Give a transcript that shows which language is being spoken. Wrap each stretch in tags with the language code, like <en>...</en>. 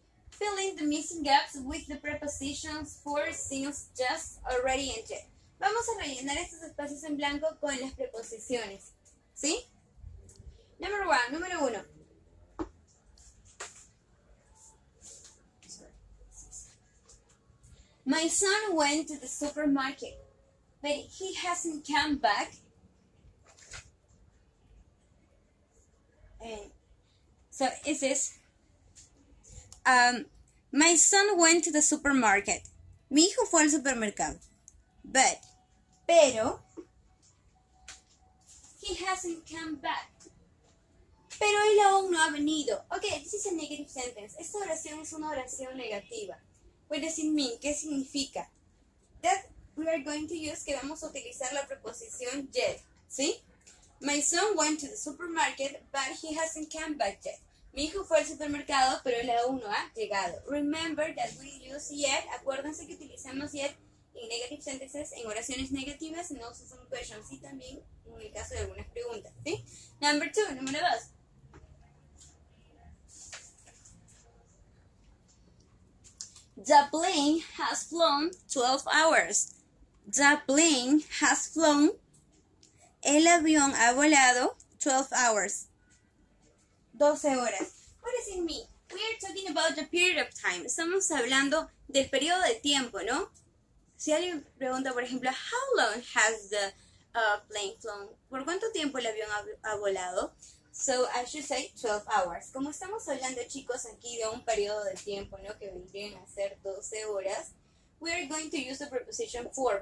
<en>Fill in the missing gaps with the prepositions for since, just, already, and yet.</en> <es>Vamos a rellenar estos espacios en blanco con las preposiciones, ¿sí?</es> <en>Number one,</en> <es>número uno.</es> <en>My son went to the supermarket, but he hasn't come back. So, is this... My son went to the supermarket.</en> <es>Mi hijo fue al supermercado.</es> <en>Pero he hasn't come back.</en> <es>Pero él aún no ha venido.</es> <en>Okay, this is a negative sentence.</en> <es>Esta oración es una oración negativa.</es> <en>What does it mean?</en> <es>¿Qué significa?</es> <en>That we are going to use,</en> <es>que vamos a utilizar la preposición yet. ¿Sí?</es> <en>My son went to the supermarket, but he hasn't come back yet.</en> <es>Mi hijo fue al supermercado, pero él aún no ha llegado.</es> <en>Remember that we use yet.</en> <es>Acuérdense que utilizamos yet</es> <en>in negative sentences,</en> <es>en oraciones negativas, no usamos</es> <en>some questions,</en> <es>y también en el caso de algunas preguntas, ¿sí?</es> <en>Number two,</en> <es>número dos.</es> <en>The plane has flown 12 hours. The plane has flown.</en> <es>El avión ha volado</es> <en>12 hours.</en> <es>12 horas.</es> <en>What does it mean? We are talking about the period of time.</en> <es>Estamos hablando del periodo de tiempo, ¿no? Si alguien pregunta, por ejemplo, how long has the plane flown? ¿Por cuánto tiempo el avión ha volado?</es> <en>So, I should say 12 hours.</en> <es>Como estamos hablando, chicos, aquí de un periodo de tiempo, ¿no? Que vendrían a ser 12 horas.</es> <en>We are going to use the preposition for.</en>